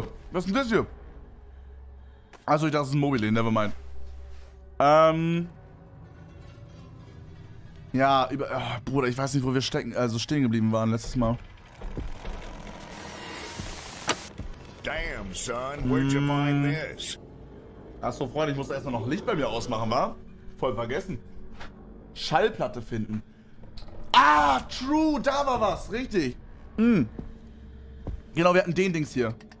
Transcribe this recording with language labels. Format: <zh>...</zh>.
<de>Was ist denn das hier? Also ich dachte, das ist ein Mobile,</de> <en>never mind.</en> <de>Ja, über. Oh, Bruder, ich weiß nicht, wo wir stehen geblieben waren letztes Mal.</de> <en>Damn, son, where'd you find this?</en> <de>Achso, Freunde, ich muss erstmal noch Licht bei mir ausmachen, wa? Voll vergessen. Schallplatte finden. Ah, true, da war was, richtig. Genau, wir hatten den Dings hier.</de>